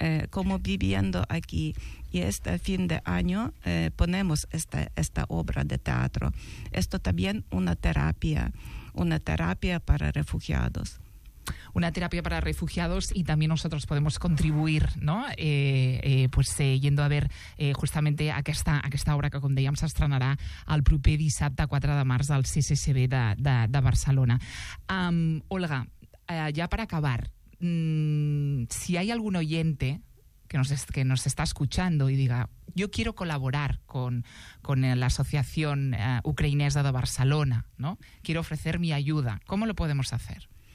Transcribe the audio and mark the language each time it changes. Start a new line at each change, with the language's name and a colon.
Spanish: Como viviendo aquí, y este fin de año ponemos esta obra de teatro. Esto también una terapia para refugiados. Una terapia para refugiados, y también nosotros podemos contribuir, ¿no? Yendo a ver justamente
Catalan: aquesta obra que, com dèiem, s'estrenarà el proper dissabte 4 de març al CCCB de Barcelona.
Spanish: Olga, ya para acabar, si hay algún oyente que nos está escuchando y diga, yo quiero colaborar con la Asociación Ucraniana de Barcelona, ¿no? Quiero ofrecer mi ayuda. ¿Cómo lo podemos hacer?